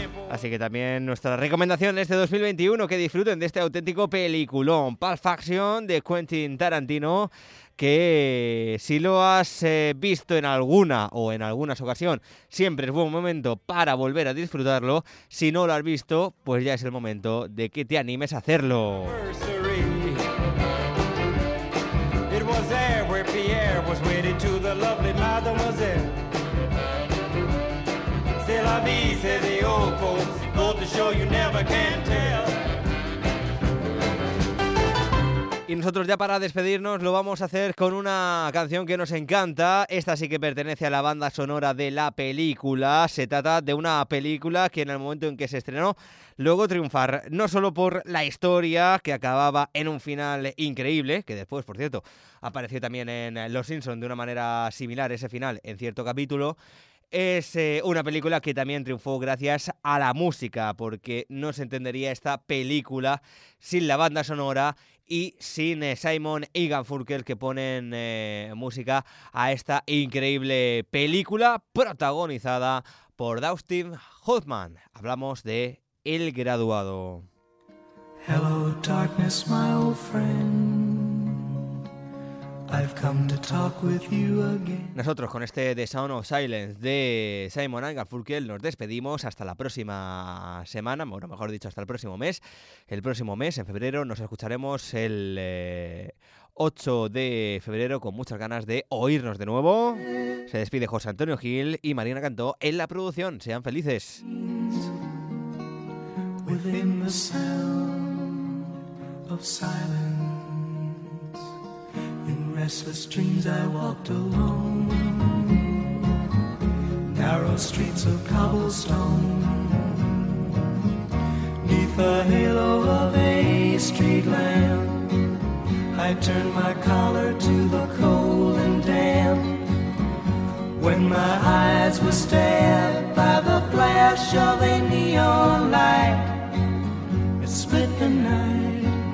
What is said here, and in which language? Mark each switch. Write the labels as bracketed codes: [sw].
[es] Así que también nuestra recomendación es de 2021, que disfruten de este auténtico peliculón, Pulp Fiction, de Quentin Tarantino, que si lo has visto en alguna o en algunas ocasiones, siempre es buen momento para volver a disfrutarlo. Si no lo has visto, pues ya es el momento de que te animes a hacerlo. [en] It was there where Pierre was wedded to the lovely mademoiselle. [fr] C'est la vie, c'est [en] the old folks, go to show you never can tell. [es] Y nosotros ya para despedirnos lo vamos a hacer con una canción que nos encanta. Esta sí que pertenece a la banda sonora de la película. Se trata de una película que en el momento en que se estrenó logró triunfar. No solo por la historia, que acababa en un final increíble, que después, por cierto, apareció también en Los Simpsons de una manera similar ese final en cierto capítulo. Es una película que también triunfó gracias a la música, porque no se entendería esta película sin la banda sonora y sin Simon y Garfunkel, que ponen música a esta increíble película protagonizada por Dustin Hoffman. Hablamos de El Graduado. [en] Hello darkness, my old friend, I've come to talk with you again. [es] Nosotros con este The Sound of Silence de Simon and Garfunkel nos despedimos hasta la próxima semana, bueno, mejor dicho, hasta el próximo mes. El próximo mes, en febrero, nos escucharemos el 8 de febrero con muchas ganas de oírnos de nuevo. Se despide José Antonio Gil y Marina Cantó en la producción. Sean felices. [en] Within the sound of silence, in restless dreams I walked alone, narrow streets of cobblestone, 'neath the halo of a street lamp, I turned my collar to the cold and damp, when my eyes were stabbed by the flash of a neon light, it split the night.